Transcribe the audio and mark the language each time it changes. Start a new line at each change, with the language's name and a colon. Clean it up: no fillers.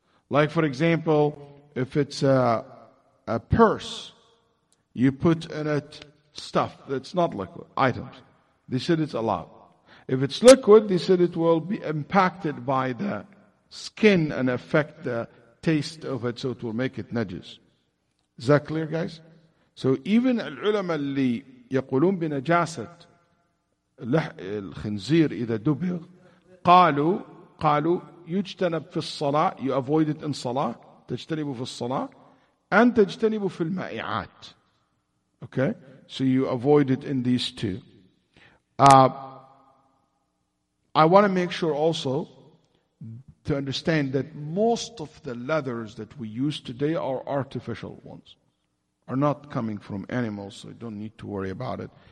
English: Like, for example, if it's a purse, you put in it stuff that's not liquid, items. They said it's allowed. If it's liquid, they said it will be impacted by the skin and affect the taste of it, so it will make it najis. Is that clear, guys? So even al-ulama
Arabic: اللي يقولون بنجاسة الخنزير إذا دبغ قالوا يجتنب في الصلاة,
English: you avoid it in
Arabic: صلاة, تجتنب في الصلاة, and تجتنب في المائعات.
English: Okay? So you avoid it in these two. I want to make sure also to understand that most of the leathers that we use today are artificial ones, are not coming from animals, so you don't need to worry about it.